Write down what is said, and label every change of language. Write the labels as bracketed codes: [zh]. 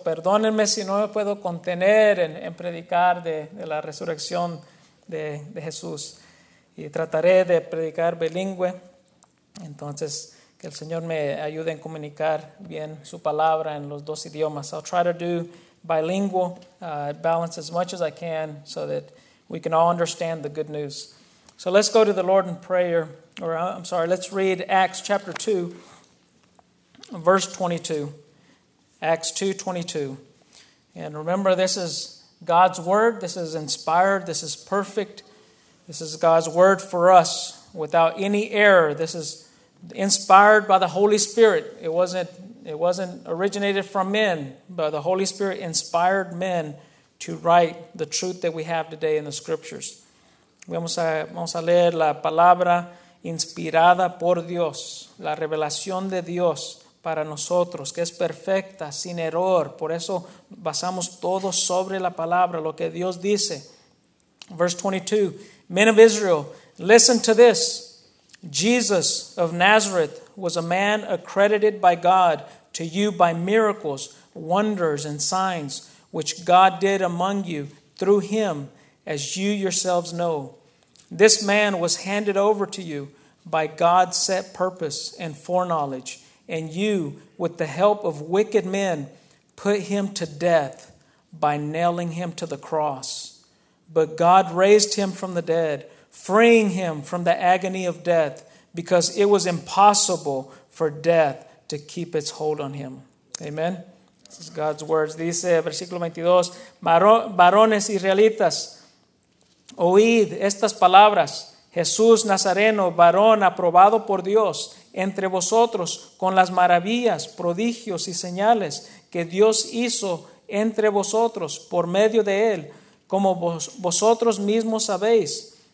[es] Perdónenme si no me puedo contener en predicar de la resurrección de Jesús. Y trataré de predicar bilingüe. Entonces, que el Señor me ayude en comunicar bien su palabra en los dos idiomas. [en] I'll try to do bilingual, balance as much as I can so that we can all understand the good news. So let's go to the Lord in prayer, let's read Acts chapter 2, verse 22, Acts 2, 22. And remember, this is God's word, this is inspired, this is perfect, this is God's word for us without any error. This is inspired by the Holy Spirit. It wasn't originated from men, but the Holy Spirit inspired men to write the truth that we have today in the Scriptures. [es] Vamos a leer la palabra inspirada por Dios, la revelación de Dios para nosotros, que es perfecta, sin error. Por eso basamos todo sobre la palabra, lo que Dios dice. [en] Verse 22, men of Israel, listen to this. Jesus of Nazareth was a man accredited by God to you by miracles, wonders, and signs, which God did among you through him, as you yourselves know. This man was handed over to you by God's set purpose and foreknowledge, and you, with the help of wicked men, put him to death by nailing him to the cross. But God raised him from the dead, freeing him from the agony of death, because it was impossible for death to keep its hold on him. Amen. This is God's words. [es] Dice, versículo 22, varones israelitas, oíd estas palabras. Jesús Nazareno, varón aprobado por Dios entre vosotros con las maravillas, prodigios y señales que Dios hizo entre vosotros por medio de él, como vosotros mismos sabéis.